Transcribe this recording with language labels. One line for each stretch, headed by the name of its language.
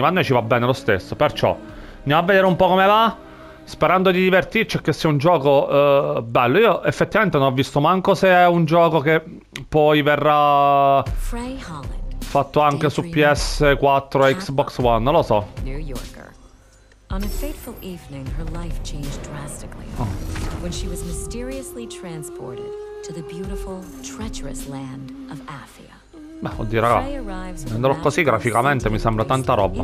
Italian: Ma a noi ci va bene lo stesso, perciò andiamo a vedere un po' come va. Sperando di divertirci e che sia un gioco bello. Io effettivamente non ho visto manco se è un gioco che poi verrà fatto anche su PS4 e Xbox One. Non lo so.
English: New Yorker. On a fateful evening, her life changed drastically when she was mysteriously transported to the beautiful, treacherous land of Aphia.
Italian: Beh, oddio, raga, andrò così graficamente, mi sembra tanta roba.